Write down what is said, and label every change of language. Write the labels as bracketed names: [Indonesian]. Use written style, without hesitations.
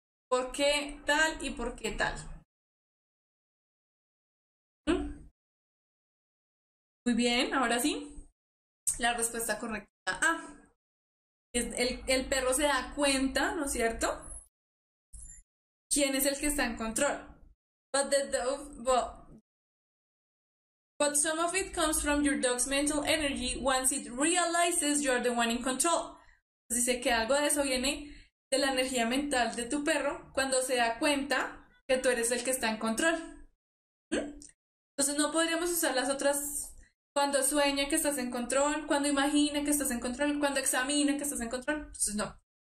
[Spanish] ¿Por qué tal y por qué tal? Muy bien, ahora sí. La respuesta correcta. Ah. El perro se da cuenta, ¿no es cierto? ¿Quién es el que está en control? [English] But the dog, but some of it comes from your dog's mental energy once it realizes you're the one in control. [Spanish] Dice que algo de eso viene de la energía mental de tu perro cuando se da cuenta que tú eres el que está en control. Entonces no podríamos usar las otras. Cuando sueña que estás en control, cuando imagina que estás en control, cuando examina que estás en control. Entonces, no.